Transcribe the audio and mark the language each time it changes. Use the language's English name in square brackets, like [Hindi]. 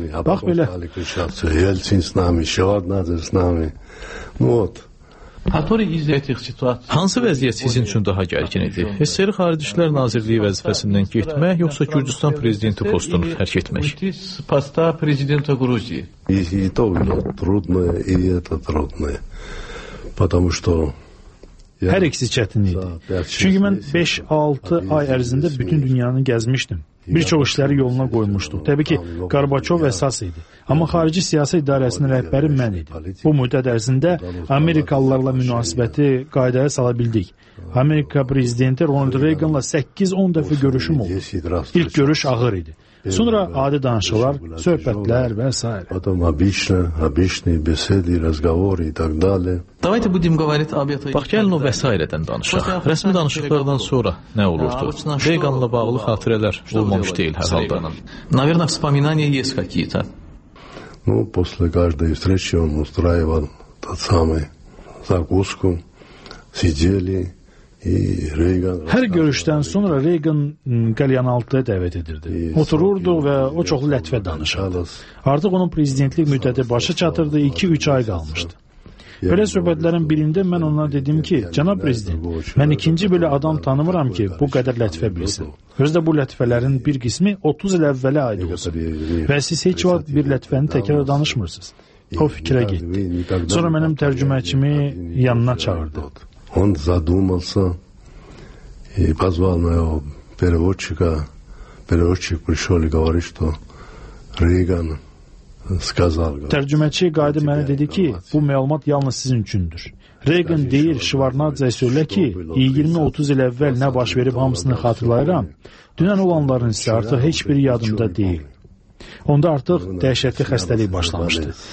[Azerbaijani] Bax belə. [Russian] Yeltsin s nami, Şevardnadze s nami. Vot. [Azerbaijani] Hansı vəziyyət sizin üçün daha gərgin idi? SSR Xarici İşlər Nazirliyi vəzifəsindən getmək, yoxsa Gürcüstan Prezidenti postunu tərk etmək? [Russian] Posta Prezidenta Gruziyi. И то, но трудно, и это трудно. Потому что [Azerbaijani] Hər ikisi çətin idi. Çünki mən 5-6 ay ərzində bütün dünyanı gəzmişdim. Bir çox işləri yoluna qoymuşdu. Təbii ki, Qarbaçov əsas idi. Amma xarici siyasi idarəsinin rəhbəri mən idi. Bu müddət ərzində Amerikalılarla münasibəti qaydaya sala bildik. Amerika prezidenti Ronald Reaganla 8-10 dəfə görüşüm oldu. İlk görüş ağır idi. Sonra adi danışıqlar, söhbətlər və s. Bax, gəlin o vəsairədən danışaq. Rəsmi danışıqlardan sonra nə olurdu? Reaganla bağlı xatirələr olmamış deyil hər halda. [Russian] Наверное, вспоминания есть какие-то. Ну, после каждой встречи он устраивал тот самый закуску, сидели. [Azerbaijani] Hər görüşdən sonra Reagan qəlyanaltıya dəvət edirdi. Otururdu və o çoxlu lətfə danışırdı. Artıq onun prezidentlik müddəti başa çatırdı, 2-3 ay qalmışdı. Belə söhbətlərin birində mən ona dedim ki, cənab prezident, mən ikinci belə adam tanımıram ki, bu qədər lətfə bilsin. Özdə bu lətfələrin bir qismi 30 il əvvələ aid olsun və siz heç vaxt bir lətfəni təkrar danışmırsınız. O fikrə getdi. Sonra mənim tərcüməçimi yanına çağırdı. [Russian] Он задумался и позвал моего переводчика. Переводчик пришел и говорит, что Риган сказал. [Azerbaijani] Tərcüməçi qayıdı mənə dedi ki, bu məlumat yalnız sizin üçündür. Reagan deyir, Şevardnadze söylə ki, 20-30 il əvvəl nə baş verib hamısını xatırlayıram. Dünən olanların isə artıq heç biri yadımda deyil. Onda artıq dəhşətli xəstəlik başlamışdı.